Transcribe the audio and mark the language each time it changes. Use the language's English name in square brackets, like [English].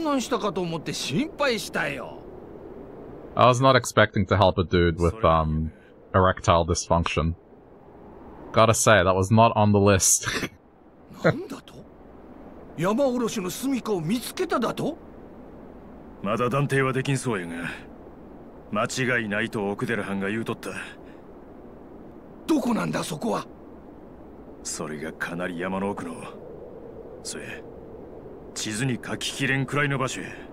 [Japanese] あんまりにも帰ってこないから遭難したかと思って心配したよ。 [English] I was not expecting to help a dude with, erectile dysfunction. Gotta say, that was not on the list. [Japanese] なんだと?山おろしの住処を見つけただと?まだ断定はできんそうやが、間違いないと奥寺藩が言うとった。どこなんだそこは?それがかなり山の奥の、それ、地図に書ききれんくらいの場所や。